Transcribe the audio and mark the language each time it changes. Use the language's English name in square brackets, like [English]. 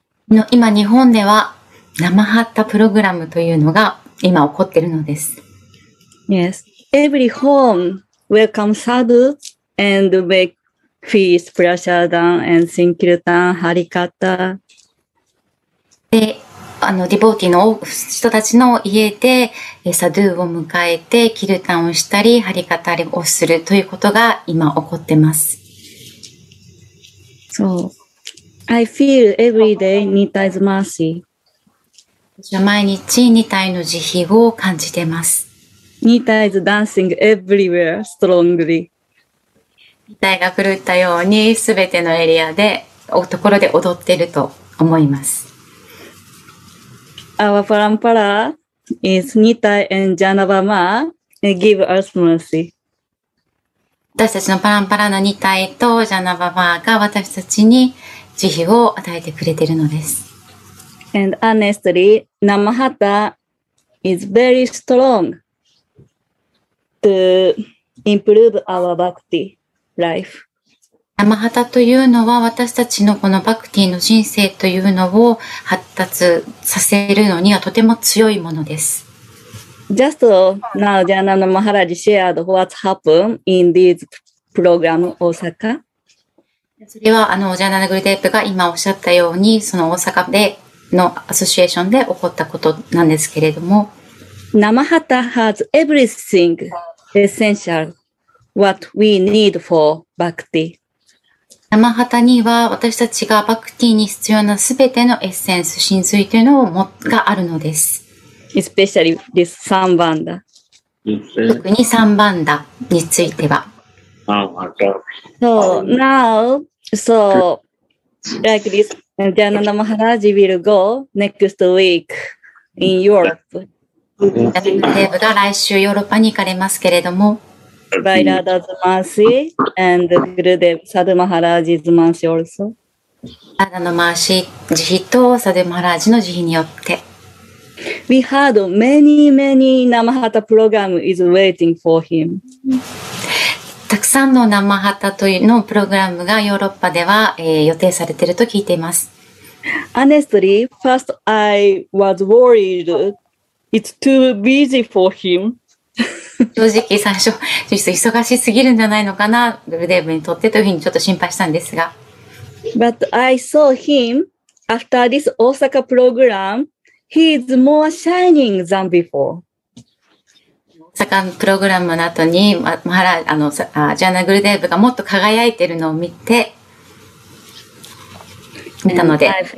[Japanese] の今日本では Namahatta プログラムというのが今起こっているのです。 [English] Yes, every home welcome sadhu and make feast, prasadam and sankirtan, harikata. [Japanese] でディボーティーの人たちの家でサドゥを迎えてキルタンをしたりハリカタリをするということが今起こってます。 [English] そう、so, I feel every day Nitai's mercy。 [Japanese] 私は毎日ニタイの慈悲を感じてます。 [English] ニタイ is dancing everywhere strongly。 [Japanese] ニタイが狂ったようにすべてのエリアでところで踊ってると思います。 [English] Our parampara is Nitai and Janabama give us mercy。 [Japanese] 私たちのパランパラのニタイとジャナババが私たちに慈悲を与えてくれているのです。 [English] And honestly, Namahata is very strong to improve our bhakti life。 [Japanese] ナマハタというのは私たちのこのバクティの人生というのを発達させるのにはとても強いものです。 [English] Just now, Janana Maharaj shared what's happened in this program, Osaka. [Japanese] それはJanana Gurudev が今おっしゃったように、その大阪でのアソシエーションで起こったことなんですけれども。 [English] ナマハタ has everything essential what we need for バクティ。 [Japanese] ナマハタには私たちがバクティに必要なすべてのエッセンス、真髄というのもがあるのです。 [English] Especially this サンバンダ。 [Japanese] 特にサンバンダについては。 [English] So now, so like this, Janana Maharaj will go next week in Europe. [Japanese] ジャナナ・マハラジが来週ヨーロッパに行かれますけれども、 [English] By Radha's mercy and Gurudev Sadhu Maharaj's mercy also. [Japanese] Radha の mercy、慈悲と Sadhu Maharaj の慈悲によって。 [English] We heard many, many Namahata program is waiting for him. [Japanese] たくさんの Namahata というのプログラムがヨーロッパでは、予定されていると聞いています。 [English] Honestly, first I was worried. It's too busy for him. [Japanese] 正直最初ちょっと忙しすぎるんじゃないのかなグルデーブにとってというふうにちょっと心配したんですが、 [English] But I saw him after this Osaka program. He is more shining than before. [Japanese] 大阪プログラムの後にマハラジャーナグルデーブがもっと輝いているのを見て見たので、